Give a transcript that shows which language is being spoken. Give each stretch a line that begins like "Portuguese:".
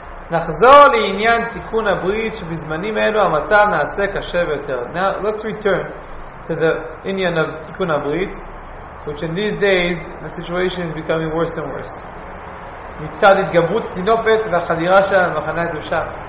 Hebrew: נחזור לעניין תיקון הברית שבזמנים אלו המצב נעשה קשה יותר.
English: Now let's return to the עניין of תיקון הברית, which in these days the situation is becoming worse and worse.
Hebrew: מצד התגברות תינופת והחדירה של המחנה הקדושה.